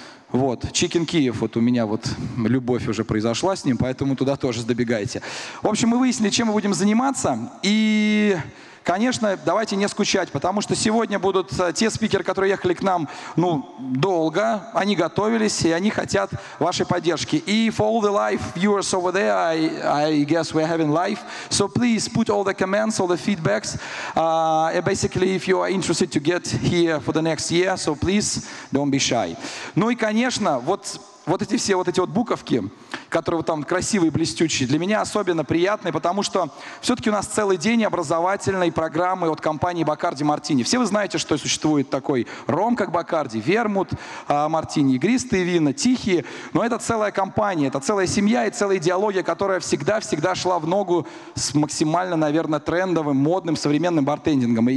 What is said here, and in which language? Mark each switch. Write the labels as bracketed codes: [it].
[ru] Вот, Чикен Киев, вот у меня вот любовь уже произошла с ним, поэтому туда тоже добегайте. В общем, мы выяснили, чем мы будем заниматься, и... Конечно, давайте не скучать, потому что сегодня будут те спикеры, которые ехали к нам, ну, долго, они готовились, и они хотят вашей поддержки. [en] И for all the live viewers over there, I guess we're having live, so please put all the comments, all the feedbacks, basically if you are interested to get here for the next year, so please don't be shy. [ru] Ну и, конечно, вот эти буковки, которые вот там красивые, блестючие, для меня особенно приятные, потому что все-таки у нас целый день образовательной программы от компании Bacardi Martini. Все вы знаете, что существует такой ром, как Bacardi, вермут, мартини, игристые вина, тихие, но это целая компания, это целая семья и целая идеология, которая всегда-всегда шла в ногу с максимально, наверное, трендовым, модным, современным бартендингом.